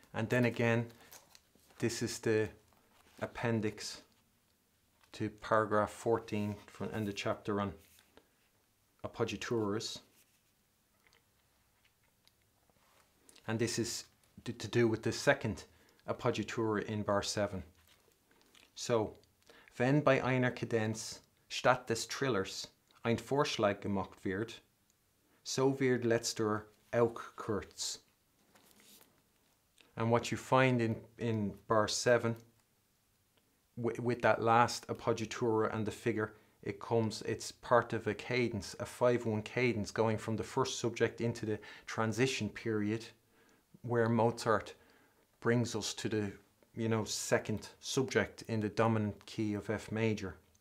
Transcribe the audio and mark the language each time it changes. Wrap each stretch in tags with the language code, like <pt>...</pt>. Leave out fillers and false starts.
<en>Then again, this is the appendix to paragraph 14 from end of chapter on appoggiaturas. And this is to do with the second appoggiatura in bar 7.</en> <de>So, wenn bei einer Kadenz statt des Trillers ein Vorschlag gemacht wird, so wird letzter auch kurz.</de> <en>And what you find in bar 7, with that last appoggiatura and the figure, it's part of a cadence, a 5-1 cadence, going from the first subject into the transition period, where Mozart brings us to the, you know, second subject in the dominant key of F major.</en>